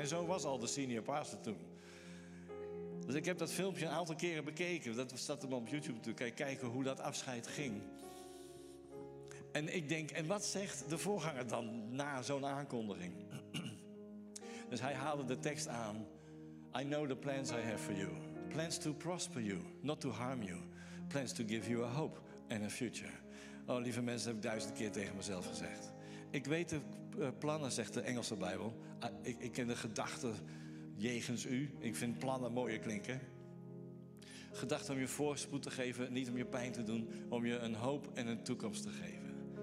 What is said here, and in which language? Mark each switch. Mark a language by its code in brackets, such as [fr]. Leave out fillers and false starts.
[nl] Zijn zoon was al de senior pastor toen. Dus ik heb dat filmpje een aantal keren bekeken. Dat staat hem op YouTube toe. Kijken hoe dat afscheid ging. En ik denk, en wat zegt de voorganger dan na zo'n aankondiging? Dus hij haalde de tekst aan. [en] I know the plans I have for you. Plans to prosper you, not to harm you. Plans to give you a hope and a future. [nl] Oh, lieve mensen, dat heb ik 1000 keer tegen mezelf gezegd. Ik weet de plannen, zegt de Engelse Bijbel. Ik ken de gedachten jegens u. Ik vind plannen mooier klinken. Gedachten om je voorspoed te geven, niet om je pijn te doen. Om je een hoop en een toekomst te geven.